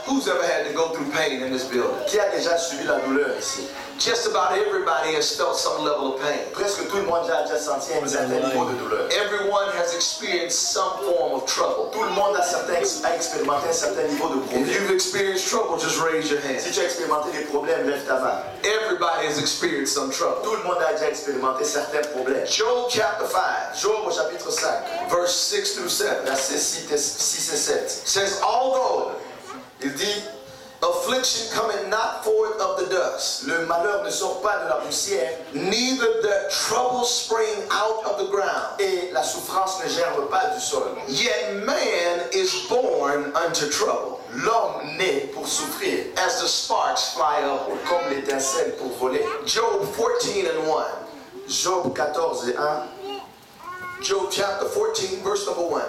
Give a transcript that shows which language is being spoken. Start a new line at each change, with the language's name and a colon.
English: who's ever had to go through pain in this building,
French: qui a déjà subi la douleur ici,
English: just about everybody has felt some level of pain,
French: presque tout le monde a déjà senti un niveau de douleur,
English: everyone has experienced some form of trouble,
French: tout le monde a expérimenté un certain niveau de
English: If you've experienced trouble, just raise your hand.
French: Si tu as expérimenté des problèmes, lève ta main.
English: Everybody has experienced some trouble.
French: Tout le monde a déjà expérimenté certains problèmes.
English: Job chapter 5.
French: Job au chapitre 5.
English: Verse 6 through 7.
French: Versets 6 et 7.
English: Says, although,
French: il dit,
English: affliction cometh not forth of the dust.
French: Le malheur ne sort pas de la poussière.
English: Neither the trouble spring out of the ground.
French: Et la souffrance ne germe pas du sol.
English: Yet man is born unto trouble.
French: L'homme naît pour souffrir.
English: As the sparks fly upward.
French: Comme l'étincelle pour voler.
English: Job 14 and 1.
French: Job 14 et 1.
English: Job chapter 14, verse number 1.